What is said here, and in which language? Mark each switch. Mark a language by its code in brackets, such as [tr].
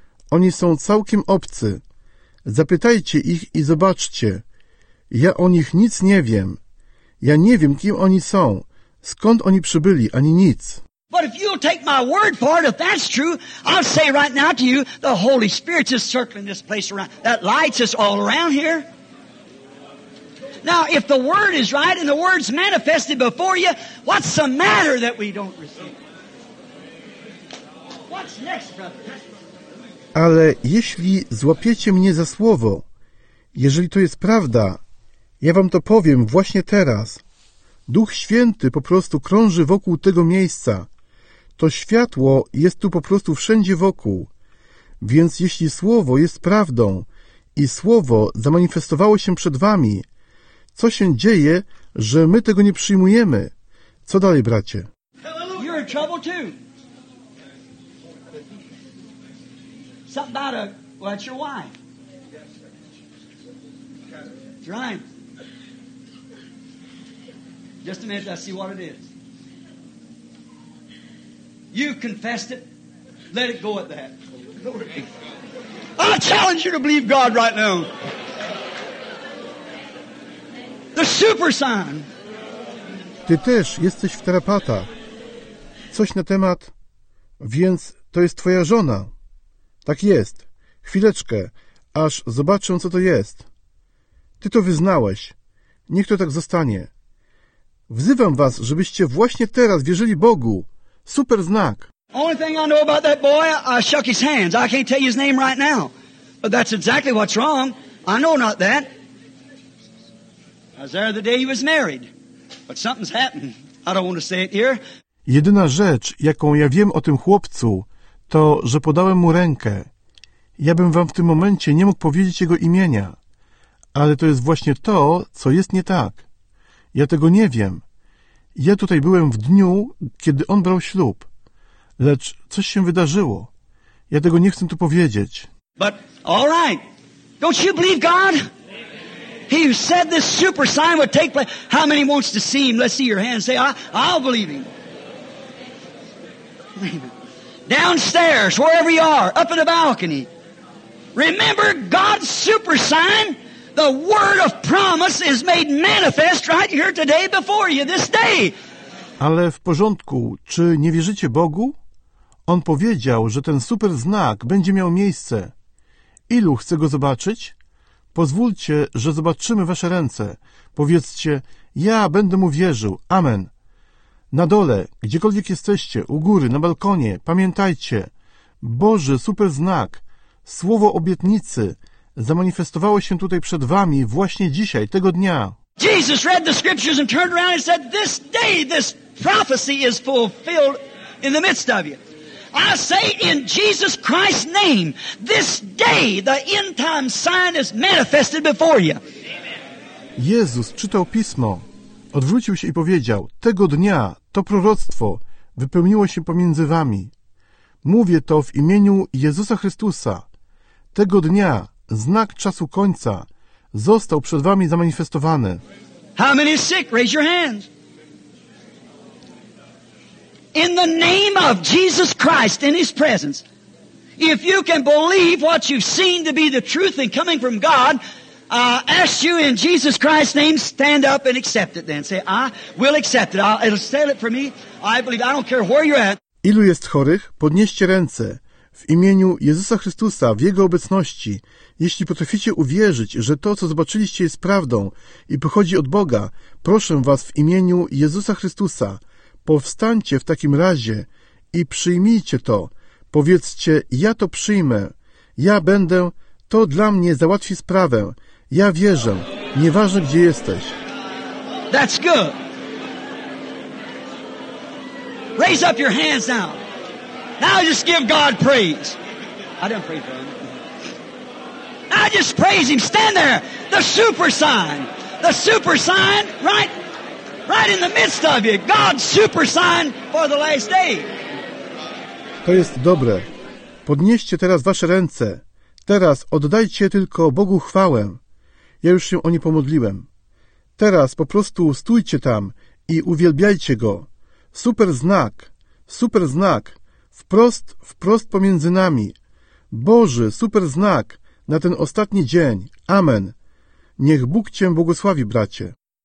[pl] Oni są całkiem obcy. Zapytajcie ich i zobaczcie. Ja o nich nic nie wiem. Ja nie wiem, kim oni są, skąd oni przybyli, ani nic. [en] But if you'll take my word for it, if that's true, I'll say right now to you, the Holy Spirit is circling this place around. That lights us all around here. Now, if the word is right and the word's manifested before you, what's the matter that we don't receive? What's next, brother? [pl] Ale jeśli złapiecie mnie za słowo, jeżeli to jest prawda, ja wam to powiem właśnie teraz. Duch Święty po prostu krąży wokół tego miejsca. To światło jest tu po prostu wszędzie wokół. Więc jeśli słowo jest prawdą i słowo zamanifestowało się przed wami, co się dzieje, że my tego nie przyjmujemy? Co dalej, bracie? [en] You're in trouble too. Something about that's your wife. Right. Just a minute, I see what it is. You confessed it. Let it go at that. I challenge you to believe God right now. The super sign. [pl] Ty też jesteś w tarapatach. Coś na temat. Więc to jest twoja żona. Tak jest. Chwileczkę, aż zobaczę, co to jest. Ty to wyznałeś. Niech to tak zostanie. Wzywam was, żebyście właśnie teraz wierzyli Bogu. Super znak. [en] Only thing I know about that boy, I shook his hands. I can't tell you his name right now. But that's exactly what's wrong. I know not that. I was there the day he was married. But something's happened. I don't want to say it here. [pl] Jedyna rzecz, jaką ja wiem o tym chłopcu, to, że podałem mu rękę. Ja bym wam w tym momencie nie mógł powiedzieć jego imienia. Ale to jest właśnie to, co jest nie tak. Ja tego nie wiem. Ja tutaj byłem w dniu, kiedy on brał ślub. Lecz coś się wydarzyło. Ja tego nie chcę tu powiedzieć. [en] But all right. Don't you believe God? He who said this super sign would take place. How many wants to see him? Let's see your hands. Say, I'll believe him. Downstairs, wherever you are, up in the balcony. Remember God's super sign? The word of promise is made manifest right here today before you, this day. [pl] Ale w porządku, czy nie wierzycie Bogu? On powiedział, że ten super znak będzie miał miejsce. Ilu chce go zobaczyć? Pozwólcie, że zobaczymy wasze ręce. Powiedzcie, ja będę mu wierzył. Amen. Na dole, gdziekolwiek jesteście, u góry, na balkonie, pamiętajcie. Boży super znak, słowo obietnicy, zamanifestowało się tutaj przed wami właśnie dzisiaj, tego dnia. [en] Jesus read the scriptures and turned around and said, this day this prophecy is fulfilled in the midst of you. I say in Jesus Christ's name, this day the end time sign is manifested before you. [pl] Jezus czytał pismo, odwrócił się i powiedział, tego dnia to proroctwo wypełniło się pomiędzy wami. Mówię to w imieniu Jezusa Chrystusa. Tego dnia znak czasu końca został przed wami zamanifestowany. [en] How many sick? Raise your hands. In the name of Jesus Christ, in his presence, if you can believe what you've seen to be the truth and coming from God, I ask you in Jesus Christ's name, stand up and accept it then. Say, I will accept it. It'll sell it for me. I believe. I don't care where you're at. [pl] Ilu jest chorych? Podnieście ręce. W imieniu Jezusa Chrystusa, w Jego obecności, jeśli potraficie uwierzyć, że to, co zobaczyliście, jest prawdą i pochodzi od Boga, proszę was w imieniu Jezusa Chrystusa, powstańcie w takim razie i przyjmijcie to. Powiedzcie, ja to przyjmę. Ja będę, to dla mnie załatwi sprawę. Ja wierzę, nieważne gdzie jesteś. [en] That's good. Raise up your hands now. Now just give God praise. I don't pray for him. Now just praise him. Stand there. The super sign. The super sign right in the midst of you. God's super sign for the last day. [pl] To jest dobre. Podnieście teraz wasze ręce. Teraz oddajcie tylko Bogu chwałę. Ja już się o nie pomodliłem. Teraz po prostu stójcie tam i uwielbiajcie Go. Super znak. Super znak. Wprost, wprost pomiędzy nami. Boży, super znak na ten ostatni dzień. Amen. Niech Bóg cię błogosławi, bracie.